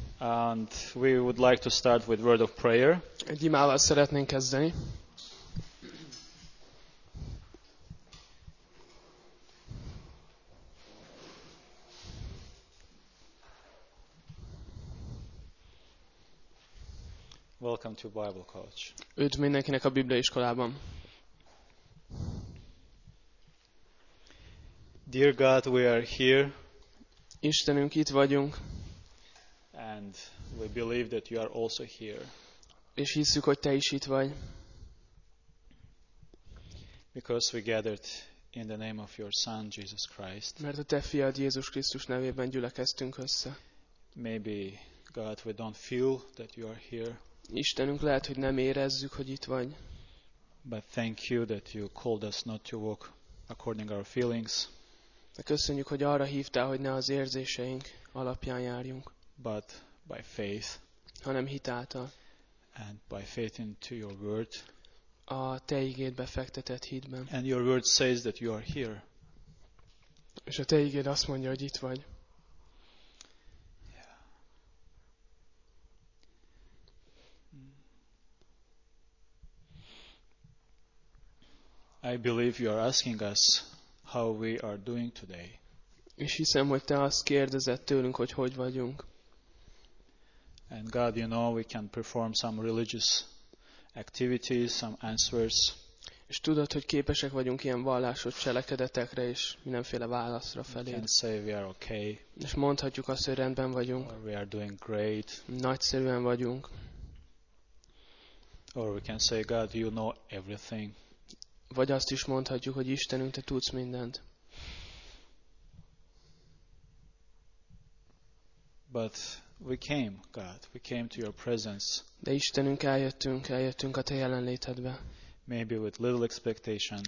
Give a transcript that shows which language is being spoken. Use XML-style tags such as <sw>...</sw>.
<en>And we would like to start with word of prayer.</en> <hu>Egy imával szeretnénk kezdeni.</hu> <en>Welcome to Bible College.</en> <hu>Üdv mindenkinek a Biblia iskolában.</hu> <en>Dear God, we are here.</en> <hu>Istenünk, itt vagyunk.</hu> <en>And we believe that you are also here.</en> <hu>És hisszük, hogy te is itt vagy.</hu> <en>Because we gathered in the name of your Son Jesus Christ.</en> <hu>Mert a te fiad Jézus Krisztus nevében gyülekeztünk össze.</hu> <en>Maybe God, we don't feel that you are here.</en> <hu>Istenünk, lehet, hogy nem érezzük, hogy itt vagy.</hu> <en>But thank you that you called us not to walk according our feelings.</en> <hu>De köszönjük, hogy arra hívtál, hogy ne az érzéseink alapján járjunk,</hu> <en>but by faith,</en> <hu>hanem hit által,</hu> <en>and by faith into your word,</en> <hu>a te igéd befektetett hitben.</hu> <en>And your word says that you are here.</en> <hu>És a te igéd azt mondja, hogy itt vagy.</hu> <en>I believe you are asking us how we are doing today.</en> <hu>És hiszem, hogy te azt kérdezed tőlünk, hogy hogy vagyunk.</hu> <en>And God, you know, we can perform some religious activities, some answers.</en> <hu>És tudod, hogy képesek vagyunk ilyen vallásos cselekedetekre és mindenféle válaszra felé.</hu> <en>And say we are okay.</en> <hu>És mondhatjuk azt, hogy rendben vagyunk.</hu> <en>Or we are doing great.</en> <hu>Nagyszerűen vagyunk.</hu> <en>Or we can say, God, you know everything.</en> <hu>Vagy azt is mondhatjuk, hogy Istenünk, te tudsz mindent.</hu> <en>But we came, God. We came to your presence.</en> <hu>De Istenünk, eljöttünk a te jelenlétedbe.</hu> <en>Maybe with little expectation.</en>